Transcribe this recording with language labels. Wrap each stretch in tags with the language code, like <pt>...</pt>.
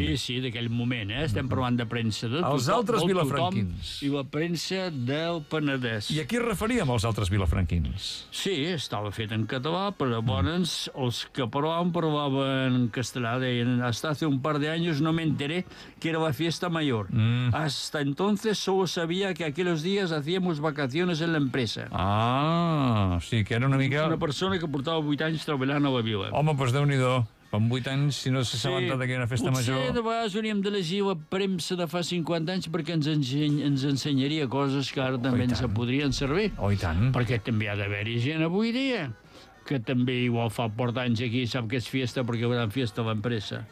<ca>Sí, sí, d'aquell moment, eh? Estem parlant de premsa. De els tothom, altres vilafranquins. I la premsa del Penedès. I a qui referíem, els altres vilafranquins? Sí, estava fet en català, però llavors els que parlaven en castellà deien</ca> <es>hasta hace un par de años no me enteré que era la Festa Major. Hasta entonces solo sabia que</es> <ca>aquells dies</ca> <es>hacíamos vacaciones en la empresa.</es> <ca>Ah, o sigui que era una mica... Una persona que portava 8 anys treballant a la vila. Home, doncs déu-n'hi-do. Amb 8 anys, si no s'ha assabentat de que era festa potser major... Potser de vegades hauríem de llegir la premsa de fa 50 anys perquè ens ensenyaria coses que ara també ens podrien servir. Oh, i tant. Perquè també ha d'haver-hi gent avui dia que també igual fa port anys aquí sap que és festa perquè veuran festa a l'empresa.</ca>